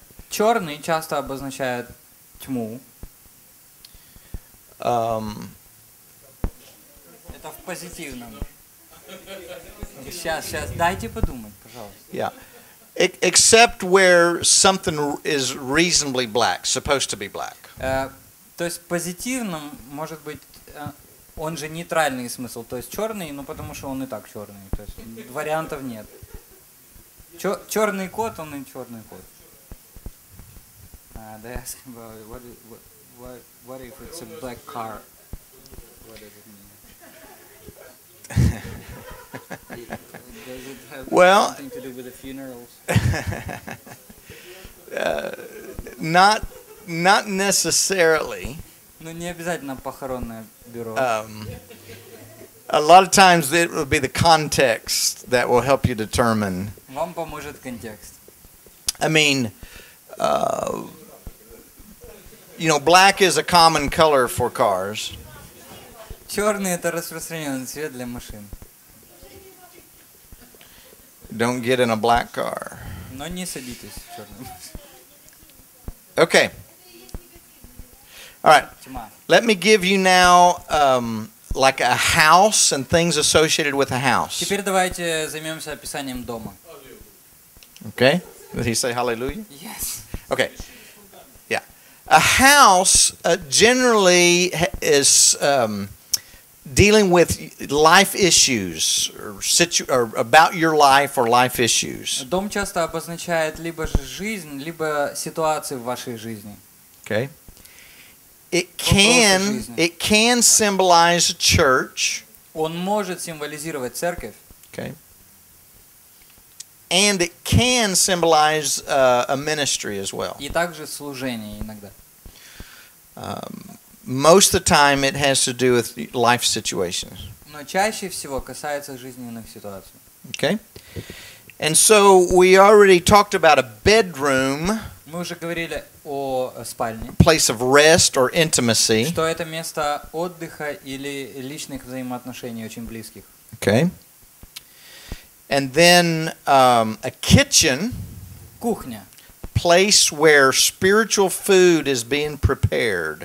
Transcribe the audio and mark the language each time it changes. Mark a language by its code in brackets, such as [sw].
[ru] Черный часто обозначает тьму. Это в позитивном. Сейчас, дайте подумать, пожалуйста. [en] Yeah. Except where something is reasonably black, supposed to be black. [ru] То есть в позитивном может быть. Он же нейтральный смысл, то есть черный, ну потому что он и так черный, то есть вариантов нет. Черный кот, он и черный кот. [en] They ask about what if it's a black car? What does it mean? Does it have something to do with the funerals? Not necessarily. [ru] Ну не обязательно похоронное бюро. [en] A lot of times it will be the context that will help you determine. [ru] Вам поможет контекст. [en] I mean, you know, black is a common color for cars. [ru] Черный это распространенный цвет для машин. [en] Don't get in a black car. [ru] Но не садитесь в черный. [en] Okay. All right. Let me give you now like a house and things associated with a house. [ru] Теперь давайте займемся описанием дома. [en] Okay. Did he say hallelujah? Yes. Okay. Yeah. A house generally is dealing with life issues or about your life or life issues. [ru] Дом часто обозначает либо жизнь, либо ситуацию в вашей жизни. [en] Okay. It can symbolize a church. [ru] Он может символизировать церковь. [en] Okay. And it can symbolize a ministry as well. [ru] И также служение иногда. [en] Most of the time it has to do with life situations. [ru] Но чаще всего касается жизненных ситуаций. [en] Okay. And so we already talked about a bedroom. [ru] Мы уже говорили о спальне. [en] Place of rest or intimacy. [ru] Что это место отдыха или личных взаимоотношений очень близких. [en] Okay. And then a kitchen. [ru] Кухня. [en] Place where spiritual food is being prepared.